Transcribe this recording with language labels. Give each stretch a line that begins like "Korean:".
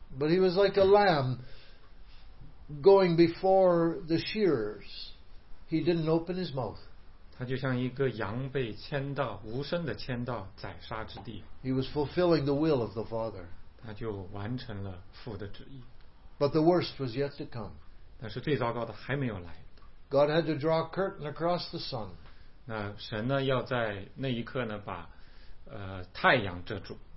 English: ？But he was like a lamb going before the shearers. He didn't open his mouth.
Chinese: 他就像一个羊被牵到无声的牵到宰杀之地。
English: He was fulfilling the will of the Father.
Chinese: 他就完成了父的旨意。
English: But the worst was yet to come.
Chinese: 但是最糟糕的还没有来。
English: God had to draw a curtain across the sun.
Chinese: 那神呢要在那一刻呢把太阳遮住。